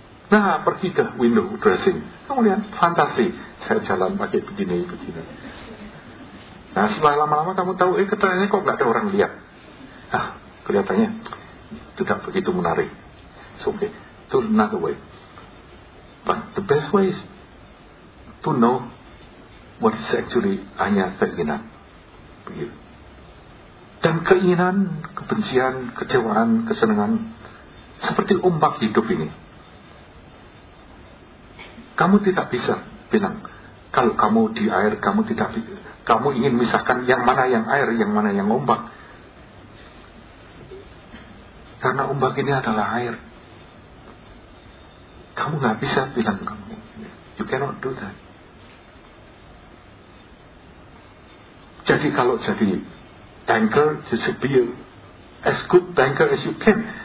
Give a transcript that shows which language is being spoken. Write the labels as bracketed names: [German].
[Indonesian] Nah, pergi ke window dressing. Kemudian fantasi. Saya jalan pakai begini. Nah, setelah lama-lama kamu tahu, keterangannya kok gak ada orang lihat. Nah, kelihatannya tidak begitu menarik. [English] It's okay. To another way. But the best way is to know what is actually [Indonesian] hanya keinginan. Begitu. Dan keinginan, kebencian, kecewaan, kesenangan, seperti ombak hidup ini. Kamu tidak bisa bilang, kalau kamu di air, kamu ingin misalkan yang mana yang air, yang mana yang ombak. Karena ombak ini adalah air. Kamu gak bisa bilang, [English] you cannot do that. [Indonesian] Jadi kalau jadi [English] banker, just be as good banker as you can.